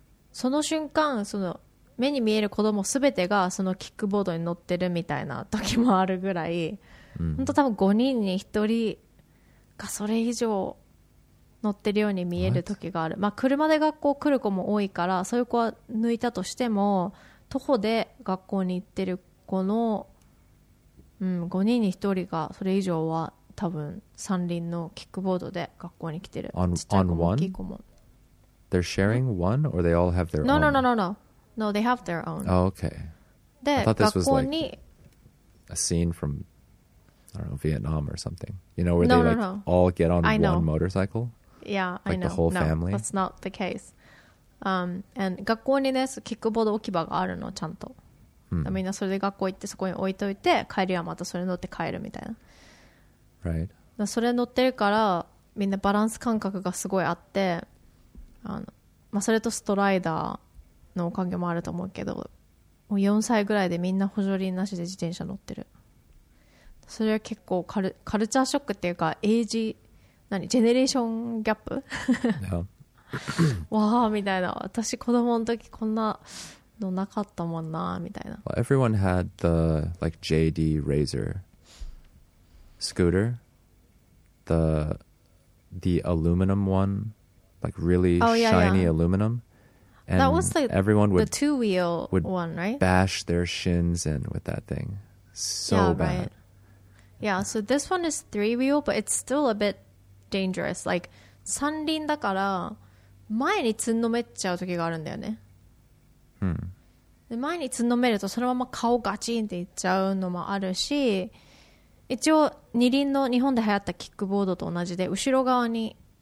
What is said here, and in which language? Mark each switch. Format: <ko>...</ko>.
<ja>その瞬間その目に見える子供すべてがそのキックボードに乗ってるみたいな時もあるぐらい、本当多分5人に1人かそれ以上乗ってるように見える時がある、</ja> <en>What?</en> <ja>まあ車で学校来る子も多いから、そういう子は抜いたとしても徒歩で学校に行ってる子の、5人に1人がそれ以上は多分三輪のキックボードで学校に来てる。</ja> <en>On one? They're sharing one or they all have their own? No, they have their own. Oh, okay.</en> <ja>で、</ja> <en>I thought this was like a scene from I don't know, Vietnam or something. You know, where they all get on one motorcycle? Yeah, like I know. The whole family? No, that's not the case.</en> <ja>And 学校にね、キックボード置き場があるの、ちゃんと。みんなそれで学校行って、そこに置いといて、帰りはまたそれ乗って帰るみたいな。</ja> <en>Right.</en> <ja>それ乗ってるから、みんなバランス感覚がすごいあって、まあ、それとストライダーのおかげもあると思うけど、もう4歳ぐらいでみんな補助輪なしで自転車乗ってる。それは結構カルチャーショックっていうか、エイジ、何ジェネレーションギャップ わーみたいな、私子供の時こんなのなかったもんなみたいな。</ja> <en>Well, everyone had the like JD Razor scooter, the aluminum one, like really shiny aluminum, and that was like everyone the two wheel one, right? Bash their shins in with that thing so bad. Right. Yeah, so this one is three wheel, but it's still a bitdangerous.</en> <ja>Like, 三輪だから前につんのめっちゃう時があるんだよね。で前につんのめるとそのまま顔ガチンっていっちゃうのもあるし、一応二輪の日本で流行ったキックボードと同じで後ろ側に</ja>